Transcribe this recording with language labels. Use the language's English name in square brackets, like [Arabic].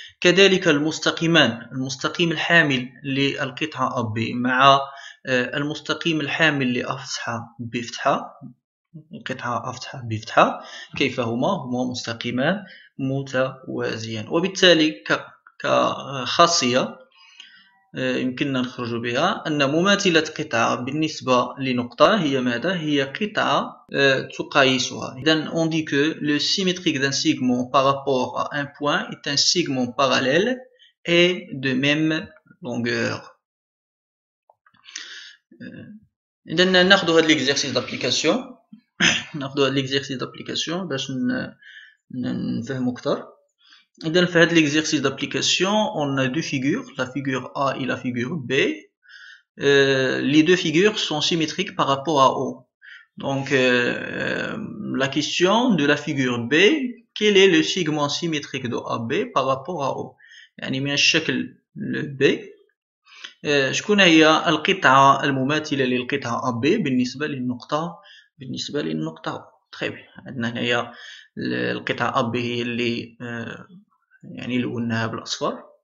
[Arabic] كذلك المستقيمان، المستقيم الحامل للقطعة AB مع المستقيم الحامل لأفتحة بفتحة، قطعة أفتحة بفتحة، كيف هما مستقيمان متوازيان. وبالتالي كخاصية يمكننا نخرج بها أن مماثلة قطعة بالنسبة لنقطة هي ماذا؟ هي قطعة تقايسها. [French] إذن on dit que le symétrique d'un segment par rapport à un point est un segment parallèle et de même longueur. [Arabic] إذن ناخذ هذا الإكزرسيس دابليكاسيون ناخذ هذا الإكزرسيس دابليكاسيون باش نفهم أكثر. [French] Dans l'exercice d'application, on a deux figures, la figure A et la figure B. Les deux figures sont symétriques par rapport à O. Donc, la question de la figure B, quel est le segment symétrique de AB par rapport à O? [Arabic] يعني من الشكل le B. شكون هي القطعة المماثلة للقطعة AB بالنسبة للنقطة O. [French] Très bien. [Arabic] عندنا هنايا القطعة AB هي اللي يعني لونها بالاصفر.